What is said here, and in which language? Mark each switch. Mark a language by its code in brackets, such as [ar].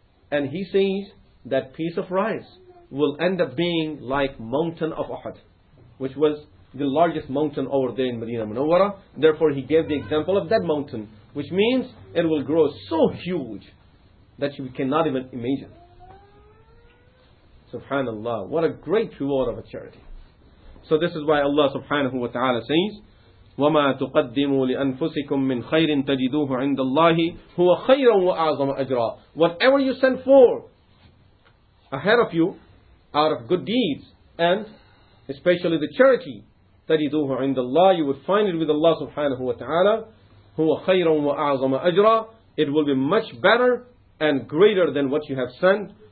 [en] And he says that piece of rice will end up being like mountain of Uhud, which was the largest mountain over there in Medina Munawwara. Therefore he gave the example of that mountain, which means it will grow so huge that you cannot even imagine. Subhanallah, what a great reward of a charity. So this is why Allah subhanahu wa ta'ala says, [ar] وَمَا تُقَدِّمُوا لِأَنفُسِكُم مِّن خَيْرٍ تَجِدُوهُ عِندَ اللَّهِ هُوَ خَيْرًا وَأَعْظَمَ أَجْرًا. [en] Whatever you send for ahead of you, out of good deeds, and especially the charity, [ar] تَجِدُوهُ عِندَ اللَّهِ, [en] you would find it with Allah subhanahu wa ta'ala, [ar] هُوَ خَيْرًا وَأَعْظَمَ أَجْرًا, [en] it will be much better and greater than what you have sent.